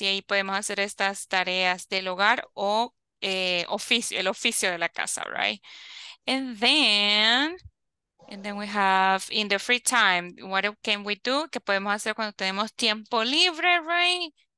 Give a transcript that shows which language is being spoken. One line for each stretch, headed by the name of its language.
Spanish: Y ahí podemos hacer estas tareas del hogar o oficio, el oficio de la casa,
English: right? And then we have in the free time, what can we do?
Spanish: ¿Qué podemos hacer cuando tenemos tiempo libre,
English: right?